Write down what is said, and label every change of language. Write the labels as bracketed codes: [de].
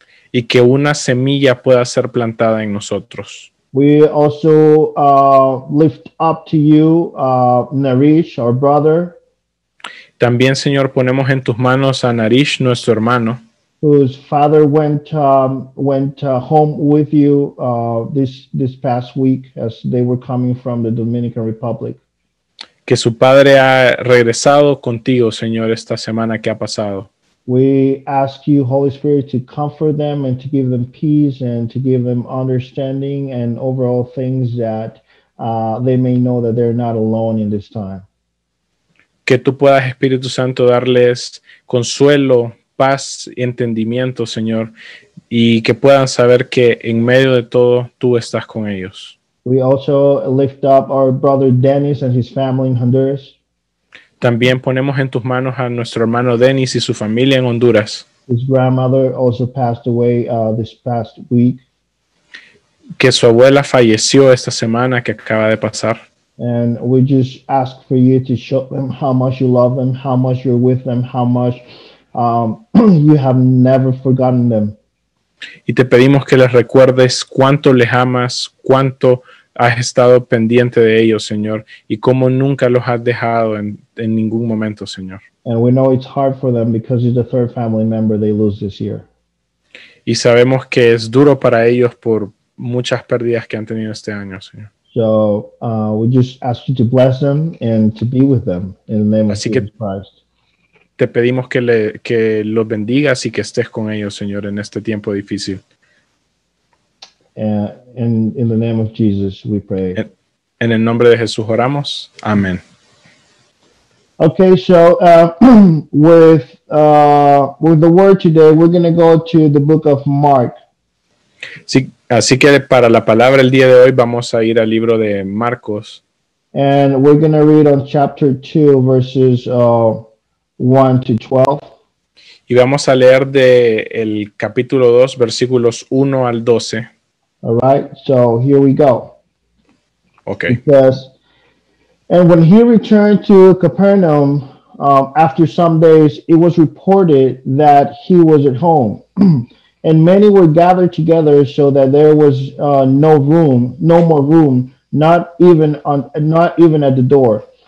[es] Y que una semilla pueda ser plantada en nosotros. [en] We also lift up to you Narish, our brother. [es] También, Señor, ponemos en tus manos a Narish, nuestro hermano, [en] whose father went home with you this past week as they were coming from the Dominican Republic. [es] Que su padre ha regresado contigo, Señor, esta semana que ha pasado. [en] We ask you, Holy Spirit, to comfort them and to give them peace and to give them understanding and overall things that they may know that they're not alone in this time. [es] Que tú puedas, Espíritu Santo, darles consuelo, paz y entendimiento, Señor, y que puedan saber que en medio de todo tú estás con ellos. [en] We also lift up our brother Dennis and his family in Honduras. [es] También ponemos en tus manos a nuestro hermano Dennis y su familia en Honduras. [en] His grandmother also passed away this past week. [es] Que su abuela falleció esta semana que acaba de pasar. [en] And we just ask for you to show them how much you love them, how much you're with them, how much you have never forgotten them. [es] Y te pedimos que les recuerdes cuánto les amas, cuánto has estado pendiente de ellos, Señor, y cómo nunca los has dejado en ningún momento, Señor. [en] And we know it's hard for them because it's the third family member they lose this year. [es] Y sabemos que es duro para ellos por muchas pérdidas que han tenido este año, Señor. [en] So we just ask you to bless them and to be with them in the name [es] así [en] of Jesus Christ. [es] Te pedimos que los bendigas y que estés con ellos, Señor, en este tiempo difícil. [en] And in the name of Jesus, we pray. [es] En el nombre de Jesús oramos. Amén. [en] Okay, so with the word today, we're going to go to the book of Mark. [es] Sí. Así que para la palabra el día de hoy vamos a ir al libro de Marcos. [en] And we're going to read on chapter 2, verses 1 to 12. [es] Y vamos a leer de el capítulo 2, versículos 1 al 12. [en] All right, so here we go. Okay. Because, and when he returned to Capernaum, after some days, it was reported that he was at home. And many were gathered together so that there was no more room, not even at the door.